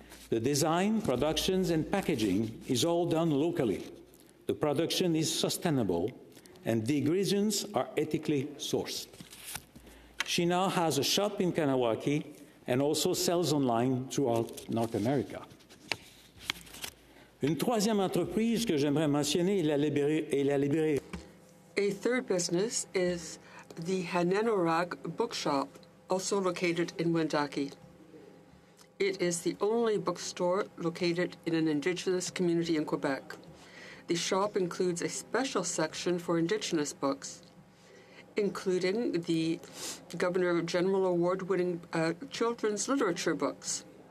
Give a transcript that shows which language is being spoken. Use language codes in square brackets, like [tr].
[en] The design, productions, and packaging is all done locally. The production is sustainable, and the ingredients are ethically sourced. She now has a shop in Kahnawake and also sells online throughout North America. [fr] Une troisième entreprise que j'aimerais mentionner est la librairie. [en] A third business is the Hananorak Bookshop, also located in Wendake. It is the only bookstore located in an Indigenous community in Quebec. The shop includes a special section for Indigenous books, including the Governor General Award-winning children's literature books.